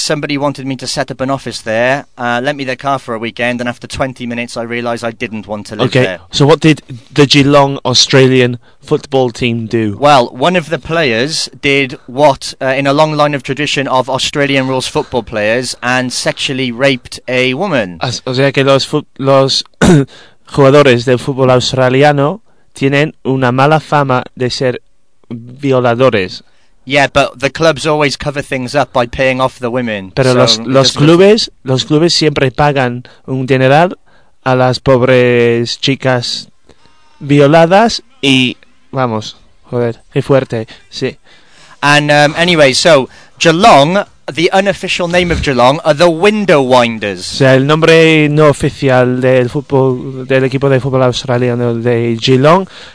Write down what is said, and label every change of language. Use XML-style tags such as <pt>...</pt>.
<en>Somebody wanted me to set up an office there, lent me their car for a weekend, and after 20 minutes, I realised I didn't want to live okay. there. Okay. So, what did the Geelong Australian football team do? Well, one of the players did what, in a long line of tradition of Australian rules football players, and sexually raped a woman.</en> <es>O sea que los jugadores del fútbol australiano tienen una mala fama de ser violadores.</es> <en>Yeah, but the clubs always cover things up by paying off the women.</en> <es>Pero</es> <en>so</en> <es>los clubes siempre pagan un dineral a las pobres chicas violadas y vamos, joder, qué fuerte, sí.</es> <en>And anyway, so Geelong, the unofficial name of Geelong, are the Window Winders.</en> <es>O sea, el nombre no oficial del equipo de fútbol australiano de Geelong</es>